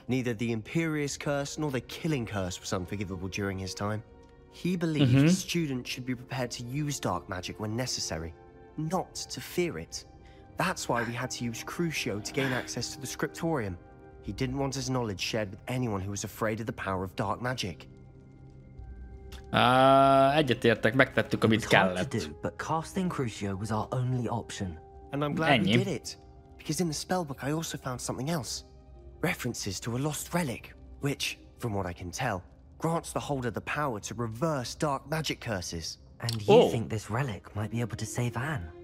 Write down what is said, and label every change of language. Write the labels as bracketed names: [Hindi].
[English] Neither the Imperious Curse nor the Killing Curse was unforgivable during his time. He believed mm-hmm. students should be prepared to use dark magic when necessary, not to fear it. That's why we had to use Crucio to gain access to the Scriptorium. He didn't want his knowledge shared with anyone who was afraid of the power of dark magic. [Hungarian] Egyetértek, megtettük, amit kellett. [English] But casting Crucio was our only option. And I'm glad [Hungarian] Ennyi. [English] We did it, because in the spellbook I also found something else. References to a lost relic, which, from what I can tell, grants the holder the power to reverse dark magic curses. And you think this relic might be able to save Anne?